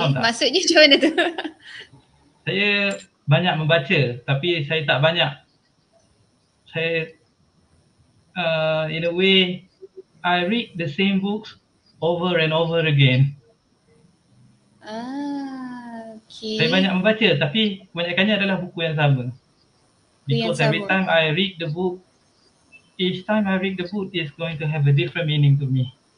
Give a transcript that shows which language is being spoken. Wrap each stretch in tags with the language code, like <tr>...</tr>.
<ms>Faham tak? maksudnya macam mana tu? Saya banyak membaca, tapi saya tak banyak.</ms> <en>Saya, in a way, I read the same books over and over again. Okay.</en> <ms>Saya banyak membaca, tapi kebanyakannya adalah buku yang sama.</ms> <en>Because every time I read the book, each time I read the book is going to have a different meaning to me.</en>